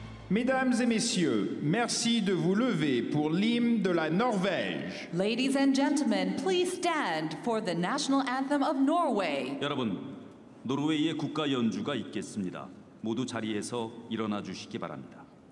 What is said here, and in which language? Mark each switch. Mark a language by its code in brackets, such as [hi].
[fr] Mesdames et messieurs, merci de vous lever pour l'hymne de la Norvège. [en] Ladies and gentlemen, please stand for the national anthem of Norway. [ko] 여러분, 노르웨이의 국가 연주가 있겠습니다. 모두 자리에서 일어나 주시기 바랍니다.